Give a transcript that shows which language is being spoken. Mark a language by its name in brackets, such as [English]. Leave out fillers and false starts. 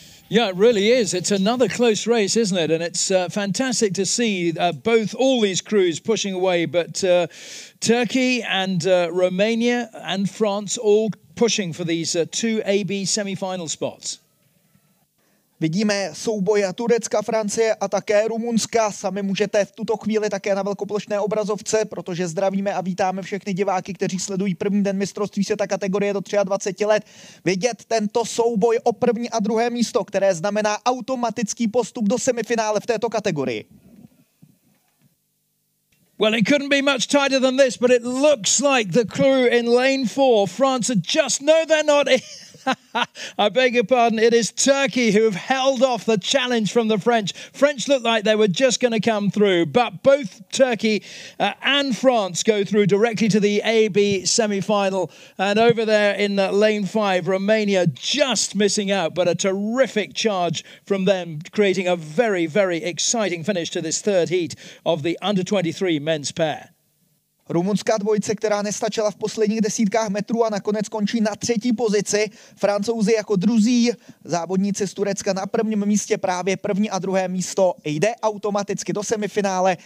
[English] Yeah, it really is. It's another close race, isn't it? And it's fantastic to see all these crews pushing away. But Turkey and Romania and France all pushing for these two AB semi-final spots. [Czech] Vidíme souboje Turecka, Francie a také Rumunska. Sami můžete v tuto chvíli také na velkoplošné obrazovce, protože zdravíme a vítáme všechny diváky, kteří sledují první den mistrovství světa kategorie do 23 let, vidět tento souboj o první a druhé místo, které znamená automatický postup do semifinále v této kategorii. [English] Well, it couldn't be much tighter than this, but it looks like the crew in lane 4, France, just know they're not... I beg your pardon, it is Turkey who have held off the challenge from the French. French looked like they were just going to come through, but both Turkey and France go through directly to the AB semi-final. And over there in lane 5, Romania just missing out, but a terrific charge from them, creating a very, very exciting finish to this third heat of the under-23 men's pair. [Czech] Rumunská dvojice, která nestačila v posledních desítkách metrů a nakonec končí na třetí pozici. Francouzi jako druzí, závodníci z Turecka na prvním místě, právě první a druhé místo jde automaticky do semifinále.